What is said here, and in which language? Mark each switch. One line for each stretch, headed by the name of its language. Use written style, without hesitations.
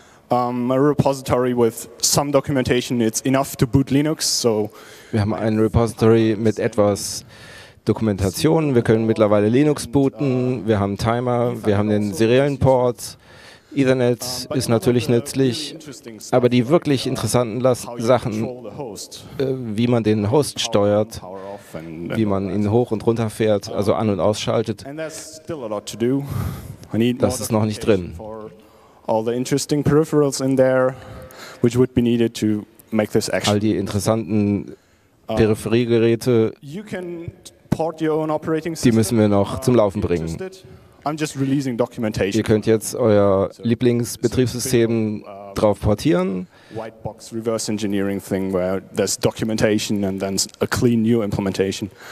English: A repository with some documentation, it's enough to boot Linux. So
German: wir haben ein Repository mit etwas Dokumentation, wir können mittlerweile Linux booten, wir haben Timer, wir haben den seriellen Port, Ethernet ist natürlich nützlich, aber die wirklich interessanten Sachen, wie man den Host steuert, wie man ihn hoch und runter fährt, also an- und ausschaltet, das ist noch nicht drin.
English: All the interesting peripherals in there, which would be needed to make this action.
German: All die interessanten Peripheriegeräte, die müssen wir noch zum Laufen bringen. Ihr könnt jetzt euer Lieblingsbetriebssystem drauf portieren.
English: White box reverse engineering thing where there's documentation and then a clean new implementation.